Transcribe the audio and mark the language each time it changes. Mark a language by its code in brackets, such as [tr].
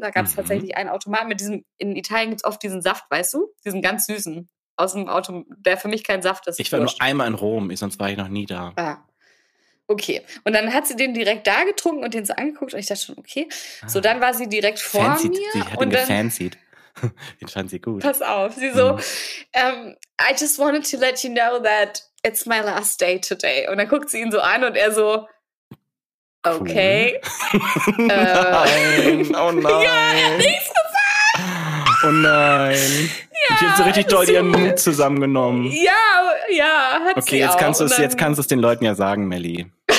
[de] Da gab es tatsächlich einen Automaten mit diesem, in Italien gibt es oft diesen Saft, weißt du, diesen ganz süßen. Aus dem Auto, der für mich kein Saft ist. Ich war nur einmal in Rom, sonst war ich noch nie da. Ah. Okay. Und dann hat sie den direkt da getrunken und den so angeguckt und ich dachte schon, okay. Ah. So, dann war sie direkt vor [en] fancied. [de] Mir. Sie hat und ihn gefancied. Den fand sie gut. Pass auf. Sie so, [en] I just wanted to let you know that it's my last day today. [de] Und dann guckt sie ihn so an und er so, okay. Cool. nein. Oh nein. Ja, er hat nichts gesagt. Oh nein. Ja, die hat so richtig doll ihren Mut zusammengenommen. Ja, hat okay, sie kannst auch. Okay, jetzt kannst du es den Leuten ja sagen, Melli.